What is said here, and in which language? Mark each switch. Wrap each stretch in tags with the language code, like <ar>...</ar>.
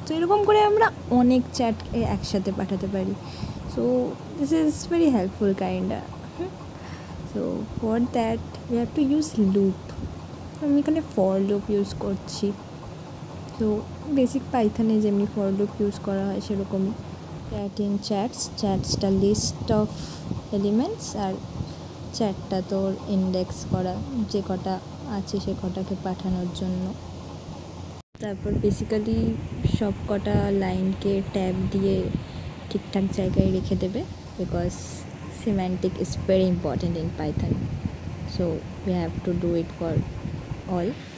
<bn>So এরকম করে আমরা অনেক চ্যাট একসাথে পাঠাতে পারি,</bn> <en>so this is very helpful kind of. So for that we have to use loop,</en> <bn>আমি এখানে for loop ইউজ করছি। So basic পাইথানে যেমনি for loop ইউজ করা হয় সেরকমই, chat in chats, চ্যাটসটা list of elements আর চ্যাটটা তোর ইন্ডেক্স করা যে কটা আছে সে কটাকে পাঠানোর জন্য। তারপর বেসিক্যালি সব কটা লাইনকে ট্যাব দিয়ে ঠিকঠাক জায়গায় রেখে দেবে,</bn> <en>Because semantic is very important in python, so we have to do it for all.</en>